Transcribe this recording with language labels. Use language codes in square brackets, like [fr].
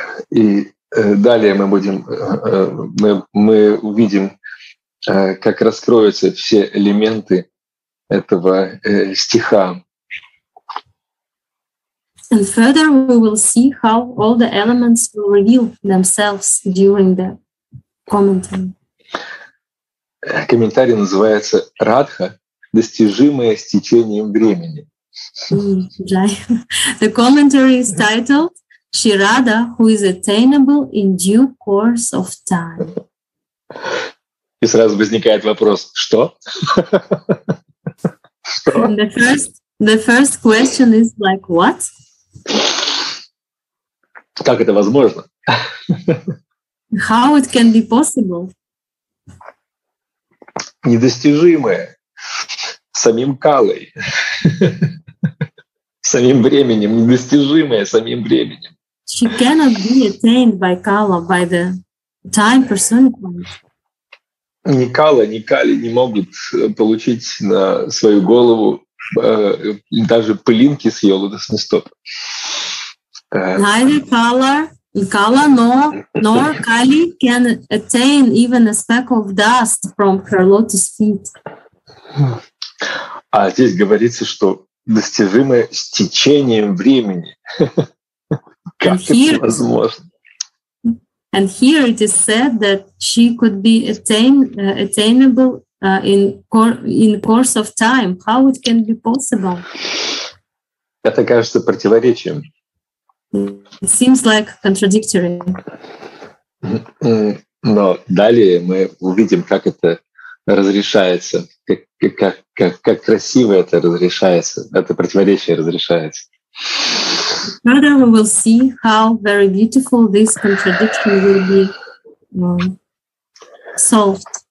[ru] И далее мы будем мы увидим, как раскроются все элементы этого стиха. [en] And further we will see how all the elements will reveal themselves during the [ru] комментарий называется «Радха, достижимая с течением времени». [en] The commentary is titled Shirada, who is attainable in due course of time. [ru] И сразу возникает вопрос, что? [en] The first question is like, what? [ru] Как это возможно? [en] How it can be possible? [ru] Недостижимое самим Калой, самим временем, недостижимое самим временем. [en] She cannot be attained by Kala, by the time personified. [ru] Ни Кала, ни Кали не могут получить на свою голову даже пылинки с ее лотосных стоп. [en] Neither Kala nor Kali can attain even a speck of dust from her lotus feet. [ru] А здесь говорится, что достижимое с течением времени. Как это возможно? [en] And here it is said that she could be attainable in course of time. How it can be possible? [ru] Это кажется противоречием. [en] It seems like contradictory. [ru] Но далее мы увидим, как это разрешается, как красиво это разрешается, это противоречие разрешается. [en] Further, we will see how very beautiful this contradiction will be solved.